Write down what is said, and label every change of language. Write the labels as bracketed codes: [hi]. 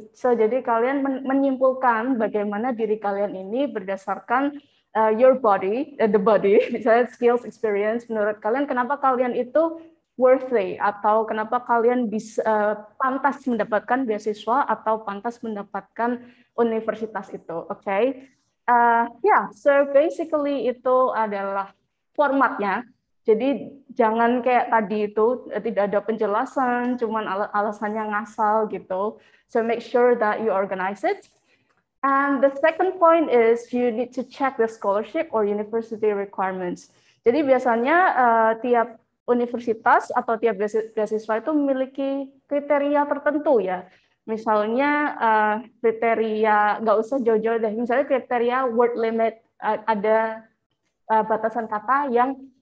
[id] So, jadi kalian menyimpulkan bagaimana diri kalian ini berdasarkan [en] your body, the body, [id] misalnya skills, experience, menurut kalian kenapa kalian itu worthy atau kenapa kalian bisa pantas mendapatkan beasiswa atau pantas mendapatkan universitas itu, okay? [en] So basically [id] itu adalah formatnya. Jadi jangan kayak tadi itu tidak ada penjelasan, cuman alasannya ngasal gitu. [en] So make sure that you organize it. And the second point is you need to check the scholarship or university requirements. [id] Jadi biasanya tiap universitas atau tiap beasiswa itu memiliki kriteria tertentu ya. Misalnya kriteria, nggak usah jauh-jauh deh, misalnya kriteria word limit, ada batasan kata yang